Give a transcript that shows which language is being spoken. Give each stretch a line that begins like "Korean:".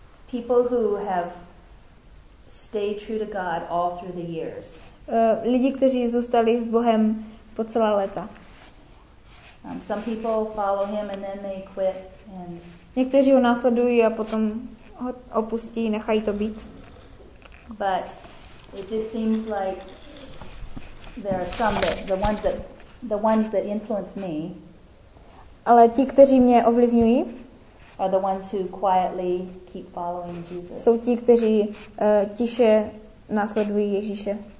English: People who have stayed true to God all through the years.
Czech: Lidi, kteří zůstali s Bohem po celá léta.
English: Some people follow him and then they quit and
Czech: někteří ho následují a potom ho opustí, nechají to být.
English: But it just seems like there are some that the ones that influence me.
Czech: Ale ti, kteří mě ovlivňují,
English: are the ones who quietly keep following Jesus.
Czech: Jsou ti, kteří tiše následují Ježíše.